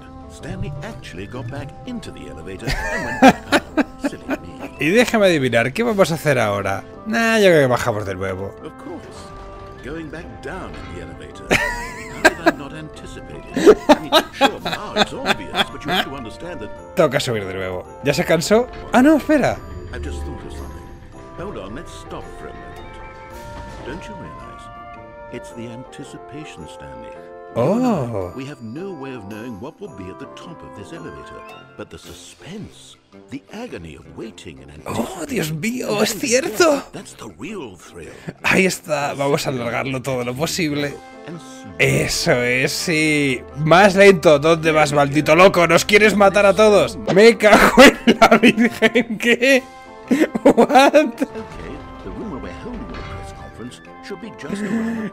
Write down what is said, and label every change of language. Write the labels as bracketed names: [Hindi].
[English] Stanley actually got back into the elevator and went back home. Silly me. [Spanish] Y déjame adivinar, ¿qué vamos a hacer ahora? [English] Nah, [Spanish] yo creo que bajamos de nuevo. [English] Of course. Going back down in the elevator. I'm not anticipating. Sure, now it's obvious, but you should understand that. [Spanish] Toca subir de nuevo. ¿Ya se cansó? Ah, no, espera. [English] I've just thought of something. Hold on, let's stop for a moment. Don't you realize? It's the anticipation, Stanley. Oh. We have no way of knowing what will be at the top of this elevator, but the suspense, the agony of waiting and anticipating. [Spanish] Oh, Dios mío, es cierto. [English] That's the real thrill. [Spanish] Ahí está, vamos a alargarlo todo lo posible. Eso es, sí. Más lento, ¿dónde vas, maldito loco? ¿Nos quieres matar a todos? Me cago en la virgen, ¿qué? [English] What? Okay, the room where we're holding the press conference should be just around the